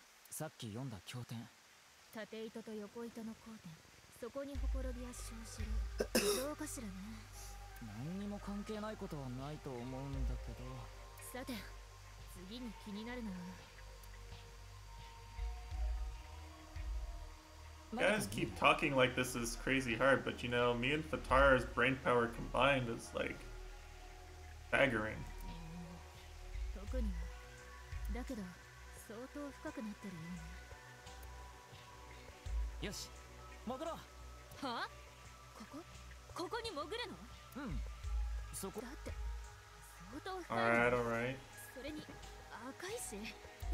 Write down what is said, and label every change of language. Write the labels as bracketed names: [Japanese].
[Japanese] さっき読んだ経典。縦糸と横糸の交点。そこにほころびは生じる。どうかしらね。何にも関係ないことはないと思うんだけど。さて、次に気になるのは。 [English] You guys keep talking like this is crazy hard, but you know, me and Fatara's brain power combined is like staggering. [Japanese] だけど相当深くなってるよね。よし、潜ろう。は？ここに潜るの？うん。そこだって相当深い。 [English] All right, all right. [Japanese] それに赤いし、